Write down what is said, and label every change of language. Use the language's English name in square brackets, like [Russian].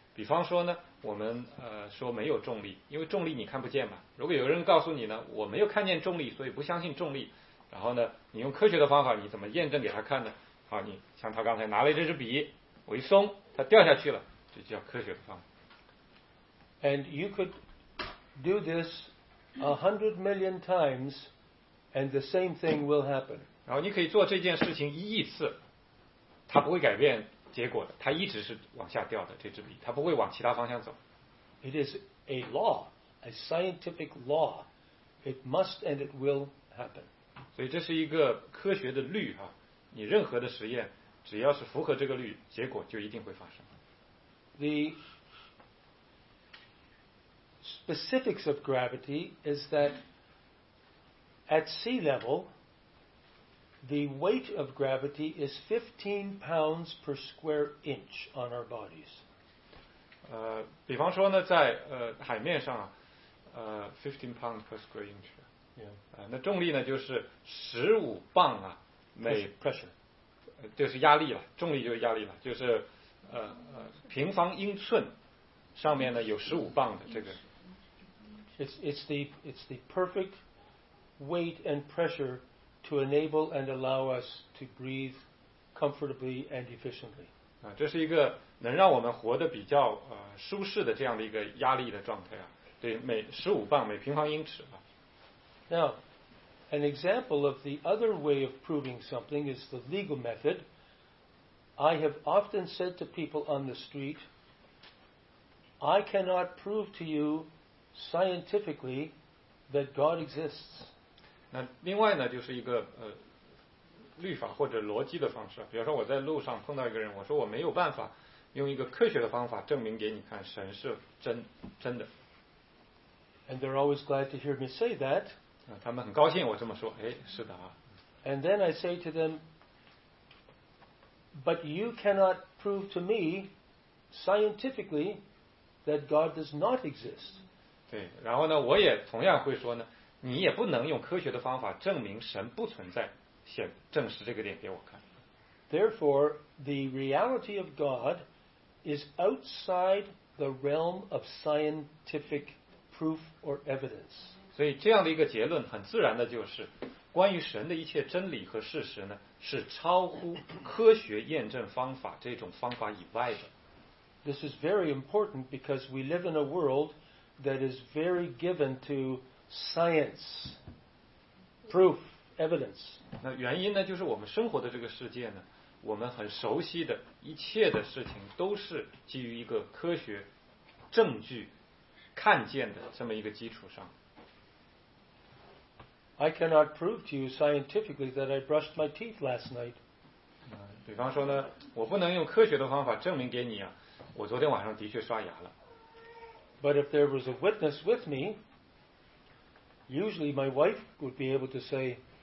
[Chinese] 比方说呢，我们说没有重力，因为重力你看不见嘛。如果有人告诉你呢，我没有看见重力，所以不相信重力，然后呢，你用科学的方法你怎么验证给他看呢？好，你像他刚才拿了这支笔，我一松，它掉下去了，这叫科学的方法。 [English] And you could do this 100 million times, and the same thing will happen. [Chinese] 然后你可以做这件事情1亿次，它不会改变。结果的，它一直是往下掉的，这支笔，它不会往其他方向走。 [English] It is a law, a scientific law. It must and it will happen. [Chinese] 所以这是一个科学的律啊，你任何的实验，只要是符合这个律，结果就一定会发生。 [English] The specifics of gravity is that at sea level,The weight of gravity is 15 pounds per square inch on our bodies. [Chinese] 比方说呢，在海面上啊， [English] 15 pounds per square inch. Yeah. [Chinese] 那重力呢就是15磅啊，每 [English] pressure， [Chinese] 就是压力了，重力就是压力了，就是平方英寸上面呢有15磅的这个。 [English] It's the perfect weight and pressure. To enable and allow us to breathe comfortably and efficiently. [Chinese] 啊，这是一个能让我们活得比较舒适的这样的一个压力的状态啊，对，每15磅每平方英尺啊。 [English] Now, an example of the other way of proving something is the legal method. I have often said to people on the street, I cannot prove to you scientifically that God exists. [Chinese] 那另外呢，就是一个律法或者逻辑的方式，比如说我在路上碰到一个人，我说我没有办法用一个科学的方法证明给你看神是真的。 [English] And they're always glad to hear me say that. [Chinese] 他们很高兴我这么说，哎，是的啊。 [English] And then I say to them, but you cannot prove to me scientifically that God does not exist. [Chinese] 对，然后呢，我也同样会说呢，你也不能用科学的方法证明神不存在。证实这个点给我看。 [English] Therefore, the reality of God is outside the realm of scientific proof or evidence. [Chinese] 所以这样的一个结论很自然的就是，关于神的一切真理和事实呢，是超乎科学验证方法这种方法以外的。 [English] This is very important because we live in a world that is very given to science proof. Evidence. [Chinese] 那原因呢，就是我们生活的这个世界呢，我们很熟悉的一切的事情都是基于一个科学证据看见的这么一个基础上。 [English] I cannot prove to you scientifically that I brushed my teeth last night. [Chinese] 比方说呢，我不能用科学的方法证明给你啊，我昨天晚上的确刷牙了。 [English] But if there was a witness with me, usually my wife would be able to say.